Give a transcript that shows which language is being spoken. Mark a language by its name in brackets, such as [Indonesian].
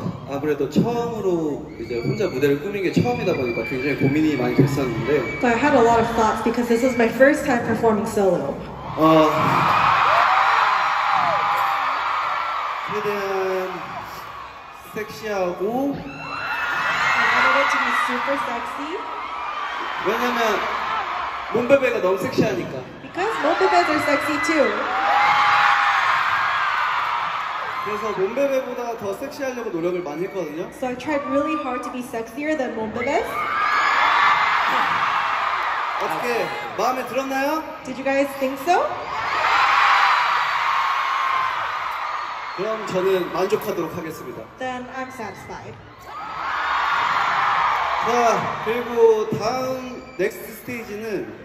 [Korean] 아무래도 처음으로 이제 혼자 무대를 꾸민 게 처음이다 보니까 굉장히 고민이 많이 됐었는데. [English] But I had a lot of thoughts because this was my first time performing solo. [Korean] 최대한 섹시하고. [English] I wanted it to be super sexy. [Korean] 왜냐면 몬베베가 너무 섹시하니까. [English] Because both of us are sexy too. [Korean] 그래서 몬베베보다 더 섹시하려고 노력을 많이 했거든요. [English] So I tried really hard to be sexier than 몬베베. [Korean] 어떻게 마음에 들었나요? [English] Did you guys think so? [Korean] 그럼 저는 만족하도록 하겠습니다. [English] Then I'm satisfied. [Korean] 자, 그리고 다음 넥스트 스테이지는